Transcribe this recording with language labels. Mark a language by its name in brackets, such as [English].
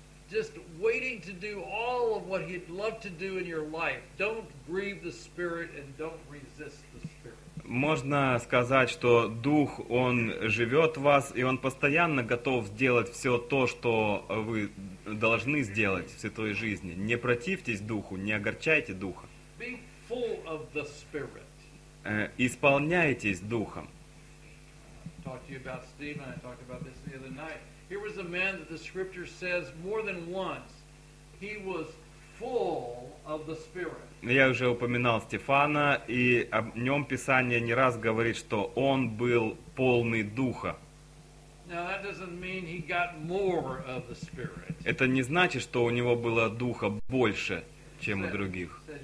[English] Just waiting to do all of what he'd love to do in your life. Don't grieve the Spirit and don't resist the Spirit. [Russian] Можно сказать, что Дух, Он живет в вас, и Он постоянно готов сделать все то, что вы должны сделать в святой жизни. Не противьтесь Духу, не огорчайте Духа. [English] Be full of the Spirit. [Russian] Исполняйтесь Духом. [English] I talked to you about Stephen, I talked about this the other night. Here was a man that the scripture says more than once, he was full of the Spirit. [Russian] Я уже упоминал Стефана, и о нем Писание не раз говорит, что он был полный Духа. [English] Now that doesn't mean he got more of the Spirit. [Russian] Это не значит, что у него было духа больше, чем у других.